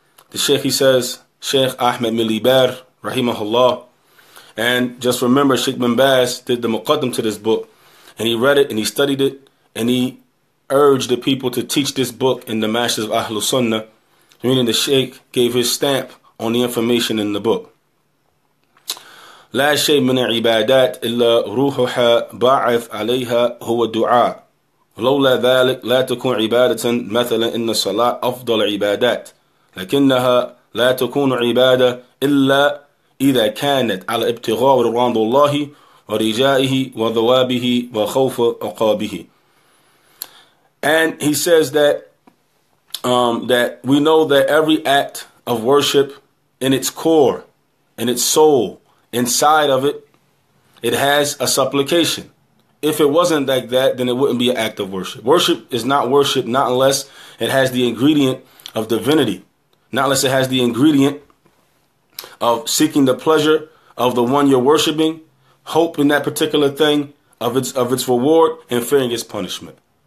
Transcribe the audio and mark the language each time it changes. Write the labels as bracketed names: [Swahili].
[English] The Sheikh, he says, Sheikh Ahmed Miliber, rahimahullah. And just remember, Sheikh bin Baz did the muqaddam to this book, and he read it and he studied it, and he urged the people to teach this book in the masjid of Ahlul Sunnah, meaning the Sheikh gave his stamp on the information in the book. [Arabic] لا شيء من عبادات إلا روحها باعث عليها هو الدعاء. لولا ذلك لا تكون عبادة مثلا إن الصلاة أفضل عبادات لكنها لا تكون عبادة إلا إذا كانت على ابتغاء رضا الله ورجائه وذوابه وخوف عقابه. [English] And he says that that we know that every act of worship in its core, in its soul, inside of it, it has a supplication. If it wasn't like that, then it wouldn't be an act of worship. Worship is not worship, not unless it has the ingredient of divinity, not unless it has the ingredient of seeking the pleasure of the one you're worshiping, hope in that particular thing, of its reward, and fearing its punishment.